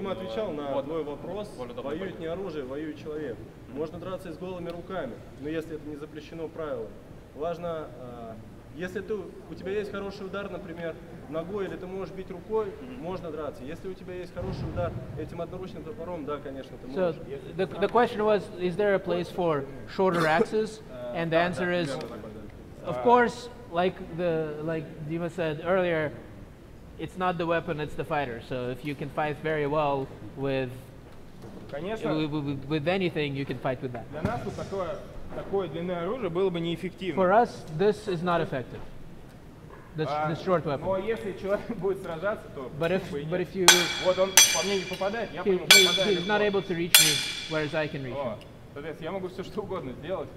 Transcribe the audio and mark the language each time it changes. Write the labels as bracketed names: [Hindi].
[Russian] Дима отвечал на твой вопрос. Воюет не оружие, воюет человек. Можно драться и с голыми руками, но если это не запрещено правилами. Важно, если ты, у тебя есть хороший удар, например, ногой, или ты можешь бить рукой, можно драться. Если у тебя есть хороший удар этим одноручным топором, да, конечно, ты можешь. [English] So, the question was, is there a place for shorter axes? And the answer is, of course, like Dima said earlier, it's not the weapon, it's the fighter. So if you can fight very well with anything, you can fight with that. [Russian] Для нас вот такое длинное оружие было бы неэффективно. [English] For us, this is not effective. This short weapon. [Russian] Но если человек будет сражаться, то [English] but if you, [Russian] вот он по мне не попадает, я по нему попадаю. [English] He's not able to reach me, whereas I can reach him. [Russian] Соответственно, я могу все что угодно сделать.